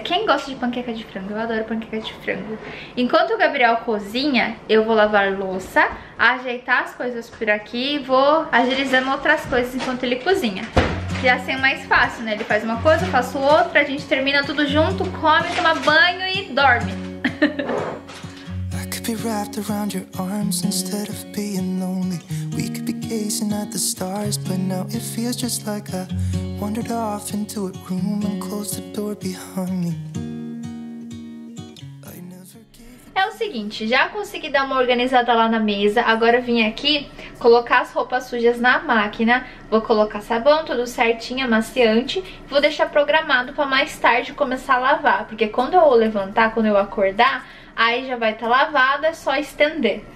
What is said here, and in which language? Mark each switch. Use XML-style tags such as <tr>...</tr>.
<pt>Quem gosta de panqueca de frango? Eu adoro panqueca de frango. Enquanto o Gabriel cozinha, eu vou lavar louça, ajeitar as coisas por aqui e vou agilizando outras coisas enquanto ele cozinha. E assim é mais fácil, né? Ele faz uma coisa, eu faço outra, a gente termina tudo junto, come, toma banho e dorme.</pt> <en>I could be wrapped around your arms instead of being lonely. We could be gazing at the stars, but now it feels just like I wandered off into a room and closed the door behind me.</en> <pt>É o seguinte, já consegui dar uma organizada lá na mesa, agora vim aqui colocar as roupas sujas na máquina, vou colocar sabão, tudo certinho, amaciante, vou deixar programado pra mais tarde começar a lavar, porque quando eu levantar, quando eu acordar, aí já vai estar lavado, é só estender.</pt>